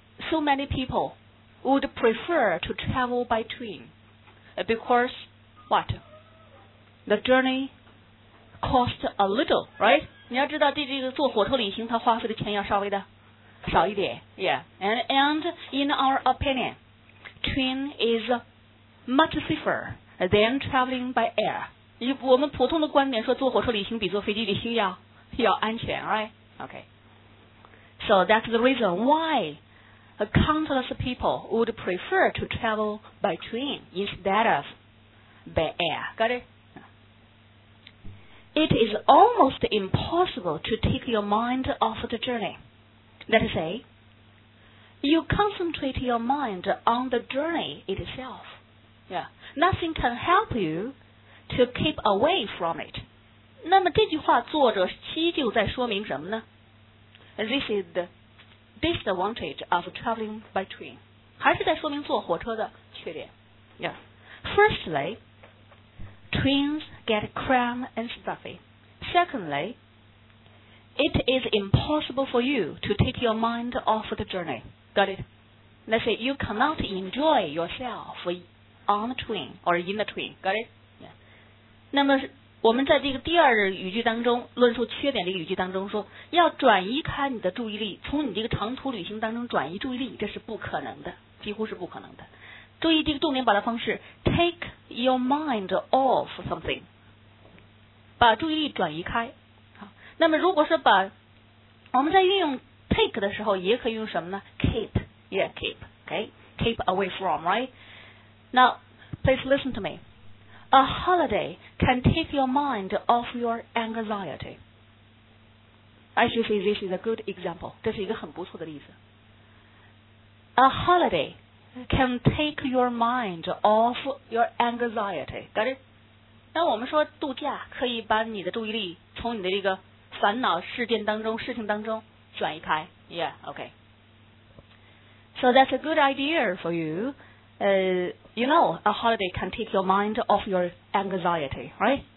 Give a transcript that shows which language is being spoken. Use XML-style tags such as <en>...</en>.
<en>So many people would prefer to travel by train because what? The journeyCost a little, right?</en> <zh>你要知道，这个坐火车旅行，它花费的钱要稍微的少一点。</zh> <en>Yeah, and in our opinion, train is much safer than traveling by air.</en> <zh>以我们普通的观点说，坐火车旅行比坐飞机旅行要安全 ，right?</zh> <en>Okay. So that's the reason why countless people would prefer to travel by train instead of by air. Got it? It is almost impossible to take your mind off the journey. That is, you concentrate your mind on the journey itself. Yeah. Nothing can help you to keep away from it.</en> <zh>那么这句话作者依旧在说明什么呢?</zh> <en>This is the disadvantage of traveling by train.</en> <zh>还是在说明坐火车的缺点。</zh> <en>Yeah. Firstly,Trains get cramped and stuffy. Secondly, it is impossible for you to take your mind off the journey. Got it? Let's say you cannot enjoy yourself on the train or in the train. Got it? Yeah.</en> <zh>那么我们在这个第二语句当中论述缺点这个语句当中说要转移开你的注意力从你这个长途旅行当中转移注意力这是不可能的几乎是不可能的。注意这个重点表达方式</zh> <en>take your mind off something</en> <zh>把注意力转移开好那么如果是把我们在运用 take 的时候也可以用什么呢</zh> <en>keep yeah keep okay keep away from right now please listen to me a holiday can take your mind off your anxiety I should say this is a good example</en> <zh>这是一个很不错的例子</zh> <en>a holidayCan take your mind off your anxiety. Got it?</en> <zh>那我们说度假可以把你的注意力从你的这个烦恼事件当中事情当中转移开</zh> <en>Yeah, okay. So that's a good idea for you. You know, a holiday can take your mind off your anxiety, right?</en>